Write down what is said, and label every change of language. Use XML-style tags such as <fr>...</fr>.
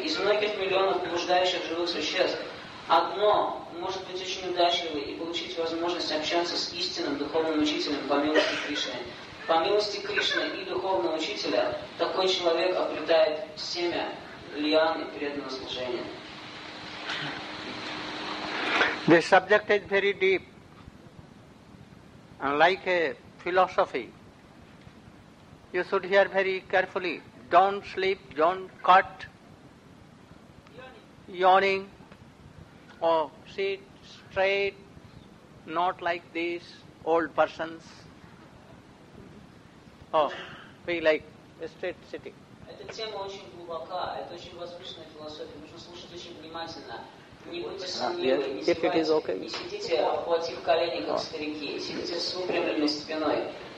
<ru>Из многих миллионов блуждающих живых существ одно может быть очень удачливым и получить возможность общаться с истинным духовным учителем по милости Кришны. По милости Кришны и духовного учителя такой человек обретает семя лианы преданного служения.</ru> <en>The subject is very deep, and like a philosophy. You should hear very carefully. Don't sleep, don't cut. Yawning. Oh, sit straight, not like these old persons. Oh, be like a straight sitting.</en> <ru>Эта тема очень глубока, это очень возвышенная философия. Нужно слушать очень внимательно. Не будьте сомневы, не сидите, обхватив колени, как старики. Сидите с упрямленной спиной.</ru>